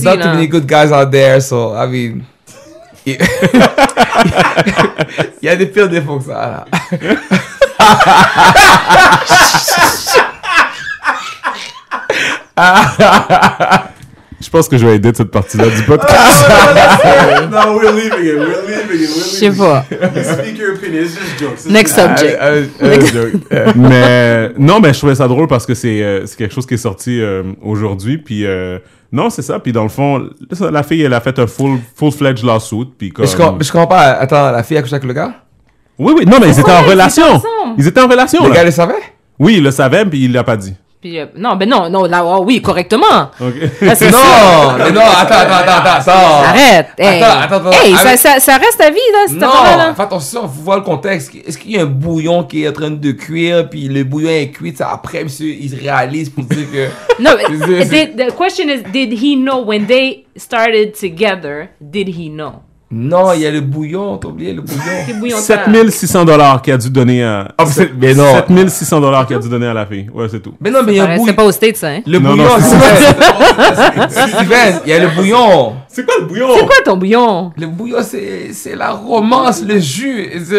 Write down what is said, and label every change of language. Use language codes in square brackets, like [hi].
[en] There's not too many good guys out there, so I mean. [fr] Il y a des pires défauts que ça, là. Je pense que je vais aider cette partie-là du podcast. [en] No, we're leaving it. [fr] Je sais pas. [en] Speak your opinion, it's just jokes. It's next subject. Joke. [fr] Mais non, mais je trouvais ça drôle parce que c'est quelque chose qui est sorti aujourd'hui. Puis non, c'est ça. Puis dans le fond, la fille, elle a fait un [en] full-fledged lawsuit. [fr] Puis comme... je comprends pas. Attends, la fille a couché avec le gars? Oui. Non, mais ils étaient en relation. Ils étaient en relation. Le gars le savait? Oui, il le savait, puis il l'a pas dit. Puis, oui, correctement. Okay. Là, attends. Arrête. Ça reste à vie, là, cette affaire-là. Non, fais attention, il faut voir le contexte. Est-ce qu'il y a un bouillon qui est en train de cuire, puis le bouillon est cuit, ça, après, monsieur, il se réalise pour dire que... [en] Non, the question is, did he know when they started together, did he know? [fr] Non, il y a le bouillon, t'as oublié le bouillon. $7,600 qu'il a dû donner à... $7,600 qu'il a dû donner à la fille. Ouais, c'est tout. Mais non, mais il y a un bouillon. C'est pas au States, hein? Le bouillon, Steven, il y a le bouillon. C'est quoi le bouillon? C'est quoi ton bouillon? Le bouillon, c'est la romance, le jus.